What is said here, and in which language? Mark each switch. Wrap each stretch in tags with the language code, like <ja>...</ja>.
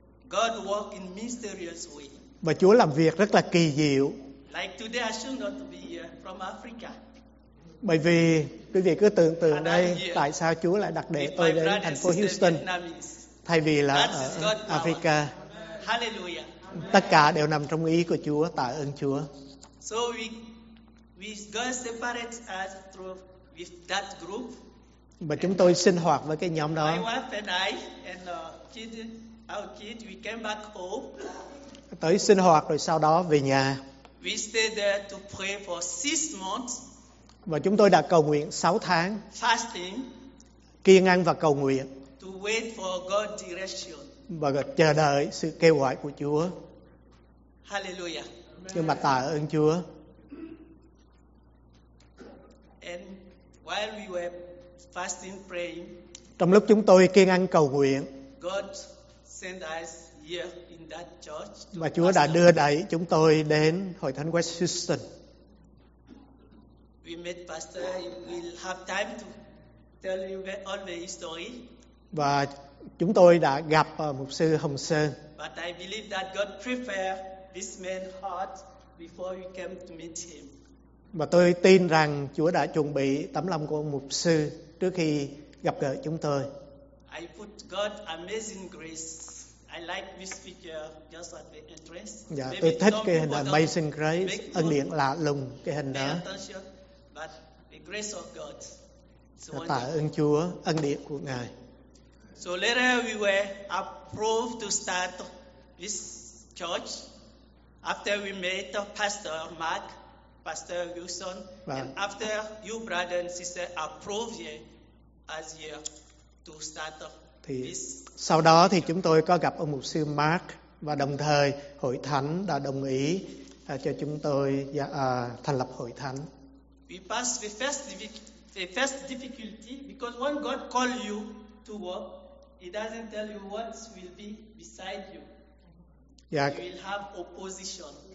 <en>God work in mysterious way.</en> <vi>Và Chúa làm việc rất là kỳ diệu.</vi> <en>Like today I should not be from Africa.</en> <vi>Bởi vì quý vị cứ tưởng tượng đây tại sao Chúa lại đặt để tôi đến thành phố Houston thay vì là ở Africa.</vi> <en>Hallelujah.</en> <vi>Tất cả đều nằm trong ý của Chúa, tạ ơn Chúa.</vi> <en>So we God separate us through with that group.</en> <vi>Và chúng tôi sinh hoạt với cái nhóm đó.</vi> <en>My wife and I and our kid, we came back home.</en> <vi>Tới sinh hoạt rồi sau đó về nhà.</vi> <en>We stayed there to pray for 6 months.</en> <vi>Và chúng tôi đã cầu nguyện 6 tháng.</vi> <en>Fasting.</en> <vi>Kiêng ăn và cầu nguyện.</vi> <en>To wait for God's direction.</en> <vi>Và chờ đợi sự kêu gọi của Chúa.</vi> <en>Hallelujah.</en> <vi>Nhưng mà tạ ơn Chúa.</vi> <en>And while we were fasting, praying,</en> <vi>trong lúc chúng tôi kiêng ăn cầu nguyện,</vi> <en>God sent us here in that church to</en> <vi>mà Chúa đã đưa đẩy chúng tôi đến Hội Thánh West Houston.</vi> <en>We met Pastor. We'll have time to tell you all the story.</en> <vi>Và chúng tôi đã gặp Mục sư Hồng Sơn.</vi> <en>But I believe that God prepared this man's heart before we came to meet him.</en> <vi>Và tôi tin rằng Chúa đã chuẩn bị tấm lòng của ông mục sư trước khi gặp gỡ chúng tôi.</vi> <en>I put God amazing grace. I like this figure just at the entrance.</en> <vi>Dạ, tôi thích cái hình</vi> <en>amazing grace,</en> <vi>ân điển lạ lùng cái hình đó.</vi> <en>But the grace of God.</en> <vi>So tạ ơn Chúa, ân điển của Ngài.</vi> <en>So later we were approved to start this church after we met Pastor Mark. Pastor Wilson, và and after you brother and sister approve you as you to start this.</en> <vi>Sau đó thì chúng tôi có gặp ông mục sư Mark và đồng thời hội thánh đã đồng ý cho chúng tôi thành lập hội thánh.</vi> <en>We passed the first difficulty because when God call you to work, He doesn't tell you what will be beside you. Yeah. You will have opposition.</en>